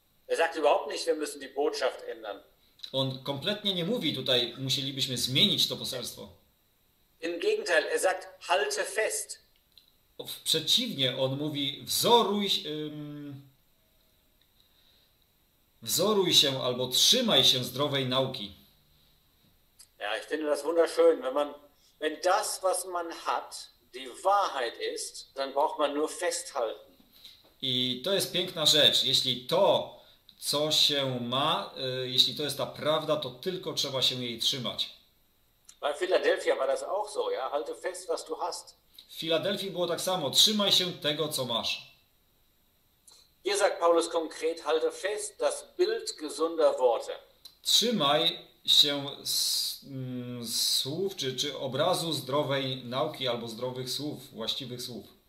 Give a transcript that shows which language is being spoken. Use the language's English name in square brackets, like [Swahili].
[German] Er sagt überhaupt nicht, wir müssen die Botschaft ändern. [Polish] On kompletnie nie mówi tutaj, musielibyśmy zmienić to poselstwo. [German] Im Gegenteil, er sagt, halte fest. [Polish] Przeciwnie, on mówi, wzoruj się. Wzoruj się albo trzymaj się zdrowej nauki. [German] Ja, ich finde das wunderschön, wenn man, wenn das, was man hat, die Wahrheit ist, dann braucht man nur festhalten. [Polish] I to jest piękna rzecz. Jeśli to, co się ma, jeśli to jest ta prawda, to tylko trzeba się jej trzymać. [German] Bei Philadelphia war das auch so, ja, halte fest, was du hast. [Polish] W Filadelfii było tak samo. Trzymaj się tego, co masz. [German] Hier sagt Paulus konkret, halte fest das Bild gesunder Worte. [Polish] Trzymaj się słów, czy obrazu zdrowej nauki, albo zdrowych słów, właściwych słów.